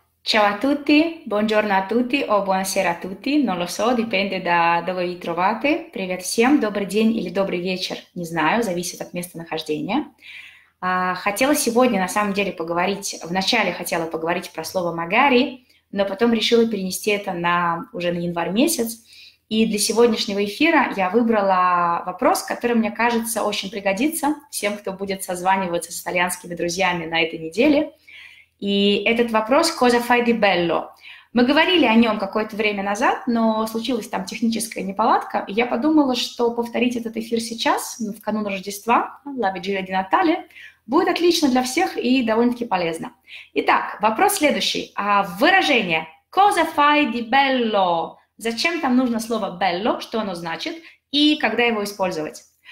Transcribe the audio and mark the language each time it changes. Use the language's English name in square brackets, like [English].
[Italian] Ciao a tutti, buongiorno a tutti o buonasera a tutti, non lo so, dipende da dove vi trovate. [Russian] Привет всем, добрый день или добрый вечер, не знаю, зависит от места нахождения. Хотела сегодня на самом деле поговорить, вначале хотела поговорить про слово «магари», но потом решила перенести это на уже на январь месяц. И для сегодняшнего эфира я выбрала вопрос, который, мне кажется, очень пригодится всем, кто будет созваниваться с итальянскими друзьями на этой неделе. И этот вопрос [Italian] «Cosa fai di bello?». [Russian] Мы говорили о нем какое-то время назад, но случилась там техническая неполадка, и я подумала, что повторить этот эфир сейчас, в канун Рождества, [Italian] «La Vigilia di Natale», [Russian] будет отлично для всех и довольно-таки полезно. Итак, вопрос следующий. Выражение [Italian] «Cosa fai di bello?». [Russian] Зачем там нужно слово «bello», что оно значит и когда его использовать?